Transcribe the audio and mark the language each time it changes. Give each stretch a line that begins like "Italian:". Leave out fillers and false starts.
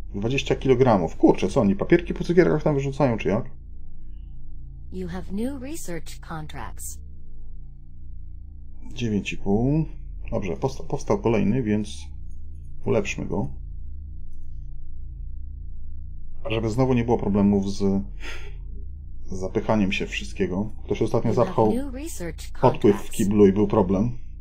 Polish: 20 kg. Kurczę, co oni, papierki po cukierkach tam wyrzucają, czy jak?
English: You have new research contracts.
Polish: 9,5. Dobrze, powstał kolejny, więc ulepszmy go. Żeby znowu nie było problemów zapychaniem się wszystkiego. Ktoś ostatnio zapchał podpływ w kiblu i był problem.